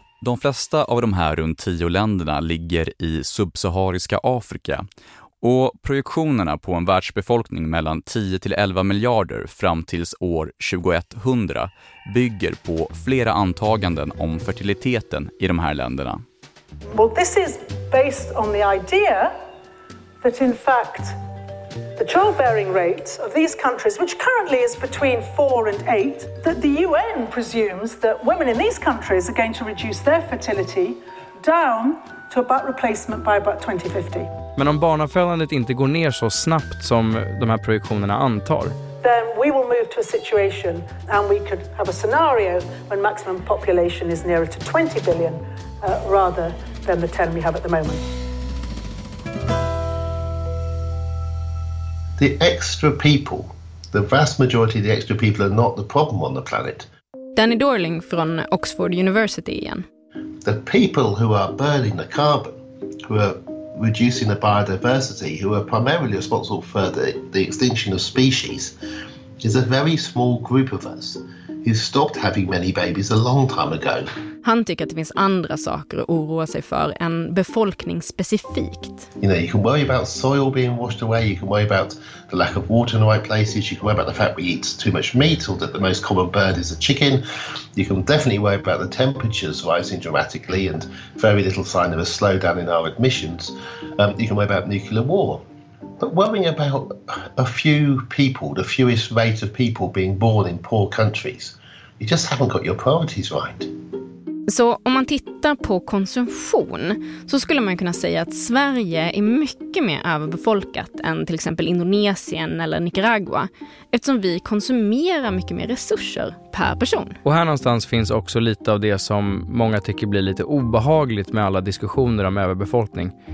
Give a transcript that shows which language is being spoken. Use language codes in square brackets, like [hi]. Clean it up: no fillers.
[sv] De flesta av de här runt 10 länderna ligger i subsahariska Afrika. Och projektionerna på en världsbefolkning mellan 10 till 11 miljarder fram tills år 2100 bygger på flera antaganden om fertiliteten i de här länderna. [en] Well, this is based on the idea that in fact the childbearing rate of these countries, which currently is between 4 and 8, that the UN presumes that women in these countries are going to reduce their fertility down to about replacement by about 2050. [sv] Men om barnafödandet inte går ner så snabbt som de här projektionerna antar, [en] then we will move to a situation and we could have a scenario when maximum population is nearer to 20 billion rather than the 10 we have at the moment. The extra people, the vast majority of the extra people are not the problem on the planet. [sv] Danny Dorling från Oxford University igen. [en] The people who are burning the carbon, who are reducing the biodiversity, who are primarily responsible for the extinction of species, is a very small group of us who stopped having many babies a long time ago. [sv] Han tycker att det finns andra saker att oroa sig för än befolkning specifikt. [en] You know, you can worry about soil being washed away, you can worry about the lack of water in the right places, you can worry about the fact we eat too much meat or that the most common bird is a chicken. You can definitely worry about the temperatures rising dramatically and very little sign of a slowdown in our emissions. You can worry about nuclear war. But worrying about a few people, the fewest rate of people being born in poor countries, you just haven't got your priorities right. [sv] Så om man tittar på konsumtion så skulle man kunna säga att Sverige är mycket mer överbefolkat än till exempel Indonesien eller Nicaragua, eftersom vi konsumerar mycket mer resurser per person. Och här någonstans finns också lite av det som många tycker blir lite obehagligt med alla diskussioner om överbefolkning.